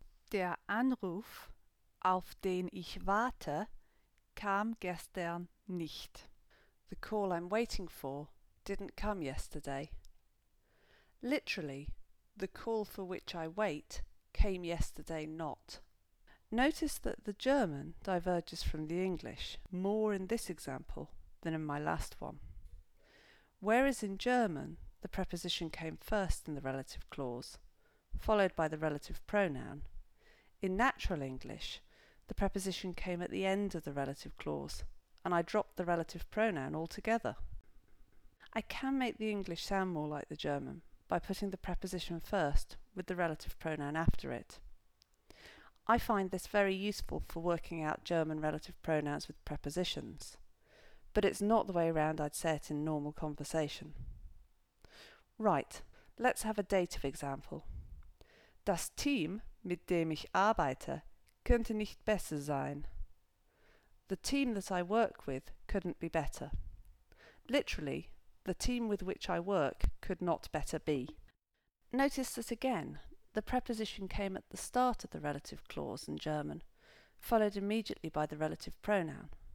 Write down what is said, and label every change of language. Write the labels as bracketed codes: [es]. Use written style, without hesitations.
[de] Der Anruf, auf den ich warte, kam gestern nicht. [en] The call I'm waiting for didn't come yesterday. Literally, the call for which I wait came yesterday not. Notice that the German diverges from the English more in this example than in my last one. Whereas in German, the preposition came first in the relative clause, followed by the relative pronoun, in natural English, the preposition came at the end of the relative clause, and I dropped the relative pronoun altogether. I can make the English sound more like the German by putting the preposition first with the relative pronoun after it. I find this very useful for working out German relative pronouns with prepositions, but it's not the way around I'd say it in normal conversation. Right, let's have a dative example. [de] Das Team, mit dem ich arbeite, könnte nicht besser sein. [en] The team that I work with couldn't be better. Literally, the team with which I work could not better be. Notice that again, the preposition came at the start of the relative clause in German, followed immediately by the relative pronoun.